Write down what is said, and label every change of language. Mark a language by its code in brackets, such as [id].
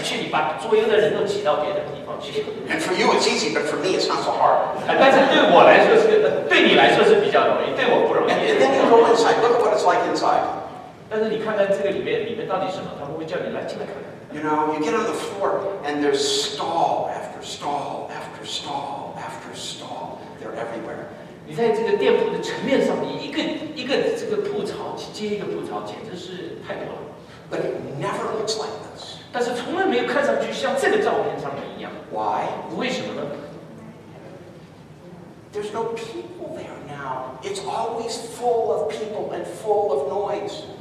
[zh] 如果你到那边去，你从一个地方转到另外一个角上的话，你必须挤来挤去，你把所有的人都挤到别的地方去。 [en] And for you, it's easy, but for me, it's not so hard. [zh] 但是对我来说是，对你来说是比较容易，对我不容易。 [en] And then you go inside. Look at what it's like inside. [zh] 但是你看看这个里面，里面到底什么？他们会叫你来进来看看。 [en] You know, you get on the floor, and there's stall after stall after stall after stall. They're everywhere. [zh] 你在这个店铺的层面上面，一个一个这个铺槽，接一个铺槽，简直是太多了。 [en] But it never looks like this. [zh] 但是从来没有看上去像这个照片上面一样。 [en] Why? [zh] 为什么呢？ [en] There's no people there now. It's always full of people and full of noise.